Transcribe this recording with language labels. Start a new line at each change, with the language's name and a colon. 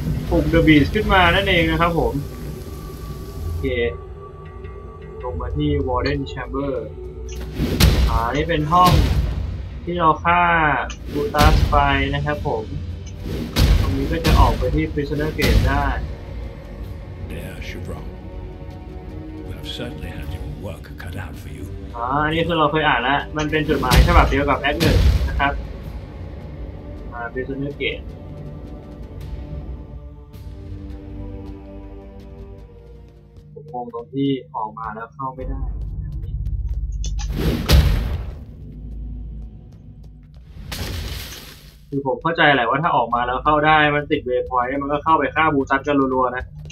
Thai: ปลุกเดอะบีสต์ขึ้นมานั่นเองนะครับผมโอเคลงมาที่วอร์เดนแชมเบอร์นี่เป็นห้องที่เราฆ่าบูตัสไปนะครับผมก็จะออกไปที่ Prisoner Gate ได้
English: There, Chevron. We have certainly had your work cut out for you.
Thai: นี่คือเราเคยอ่านแล้วมันเป็นจดหมายฉบับเดียวกับแอคหนึ่งนะครับ Prisoner Gate ผมมองตรงที่ออกมาแล้วเข้าไม่ได้คือผมเข้าใจแหละว่าถ้าออกมาแล้วเข้าได้มันติดเวพอยต์มันก็เข้าไปฆ่าบูตัสกันรัวๆนะ